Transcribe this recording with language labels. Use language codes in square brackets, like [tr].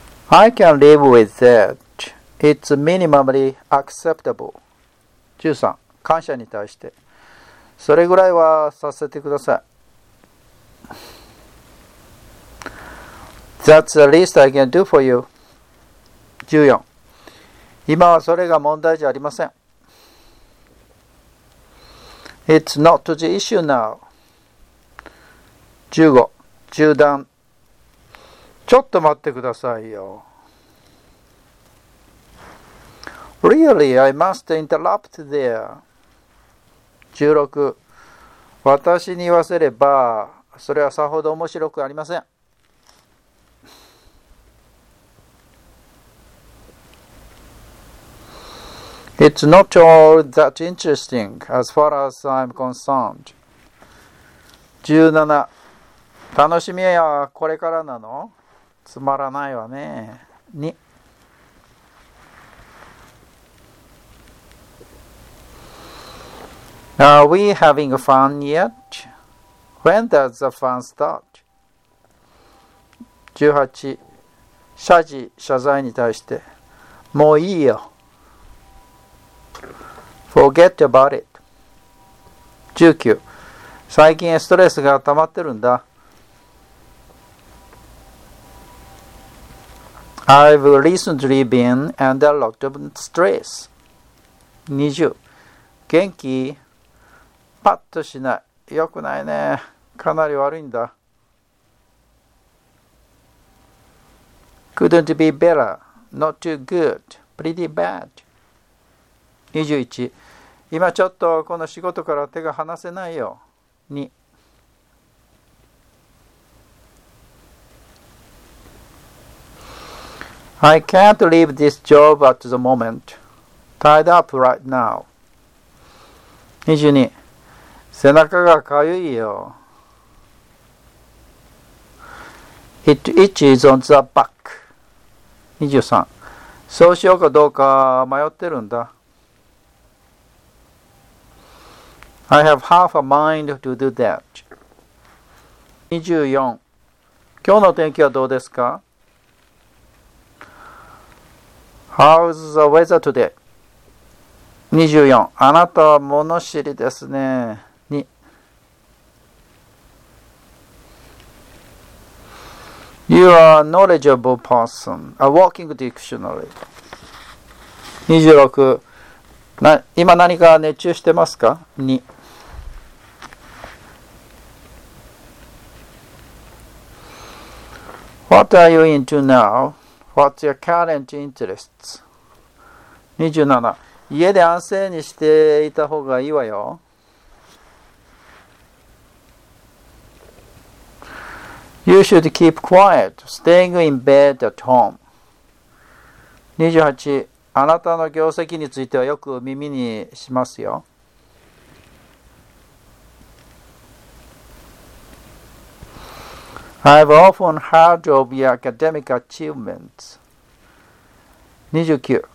[en] I can live with that. It's minimally acceptable. 13. [ja] 感謝に対して。それぐらいはさせてください。 [en] That's the least I can do for you. 14. [ja] 今はそれが問題じゃありません。 [en] It's not the issue now. 15. [ja] 中断。ちょっと待ってくださいよ。 [en] Really, I must interrupt there. 16. [ja] 私に言わせれば、それはさほど面白くありません。 [en] It's not all that interesting as far as I'm concerned. 17. [ja] 楽しみはこれからなの? つまらないわね。2. [en] Are we having fun yet? When does the fun start? [ja] 18. 謝辞、謝罪に対して。もういいよ。 [en] Forget about it. 19. [ja] 最近ストレスが溜まってるんだ。 [en] I've recently been under a lot of stress. [ja] 20. 元気?パッとしない。よくないね。かなり悪いんだ。 [en] Couldn't be better. Not too good. Pretty bad. 21. [ja] 今ちょっとこの仕事から手が離せないよ。 2. [en] I can't leave this job at the moment. Tied up right now. 22. [ja] 背中がかゆいよ。 [en] It itches on the back. 23. [ja] そうしようかどうか迷ってるんだ。 [en] I have half a mind to do that. 24. [ja] 今日の天気はどうですか? [en] How's the weather today? 24. [ja] あなたは物知りですね。 [en] You are a knowledgeable person, a walking dictionary. 26. [ja] 今何か熱中してますか ?2. [en] What are you into now? What's your current interests? 27. [ja] 家で安静にしていた方がいいわよ。 [en] You should keep quiet, staying in bed at home. 28. [ja] あなたの業績についてはよく耳にしますよ。 [en] I've often heard of your academic achievements. 29.